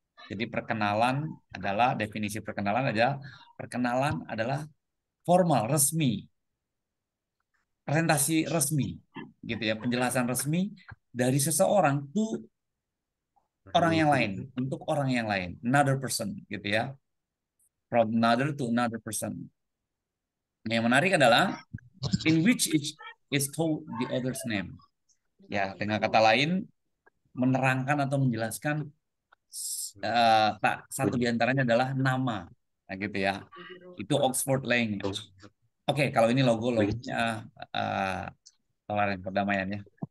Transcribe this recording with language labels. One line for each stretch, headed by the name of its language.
Indonesian: Jadi perkenalan adalah, definisi perkenalan aja, perkenalan adalah formal, resmi. Presentasi resmi, gitu ya, penjelasan resmi dari seseorang to orang yang lain, untuk orang yang lain,
English: another person,
Indonesian: gitu ya.
English: From another to another person.
Indonesian: Yang menarik adalah,
English: in which each is told the other's name.
Indonesian: Ya, dengan kata lain, menerangkan atau menjelaskan satu diantaranya adalah nama, nah, gitu ya. Itu Oxford language. Oke, kalau ini logo-logonya toleran perdamaiannya.